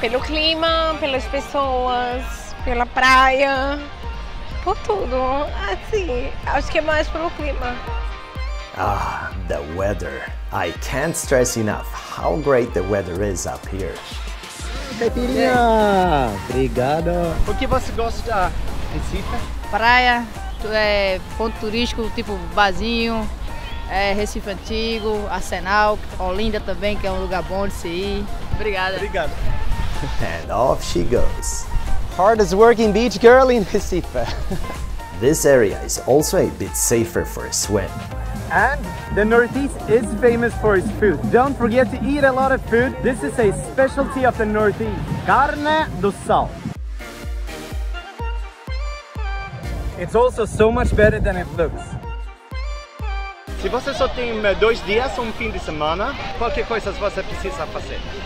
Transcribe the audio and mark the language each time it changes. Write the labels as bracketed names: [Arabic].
[Portuguese] pelo clima, pelas pessoas, pela praia, por tudo. Assim, acho que é mais pelo clima. [English] Ah, the weather. I can't stress enough how great the weather is up here. [Portuguese] Caipirinha, obrigado. O que você gosta da Recife? Praia, ponto turístico, tipo barzinho, Recife Antigo, Arsenal, Olinda também, que é um lugar bom de se ir. Obrigada. Obrigado. [English] And off she goes. Hardest working beach girl in Recife. This area is also a bit safer for a swim. And the Northeast is famous for its food. Don't forget to eat a lot of food. This is a specialty of the Northeast. Carne do sol. It's also so much better than it looks. [Portuguese] Se você só tem 2 dias ou 1 fim de semana, qualquer coisa você precisa fazer?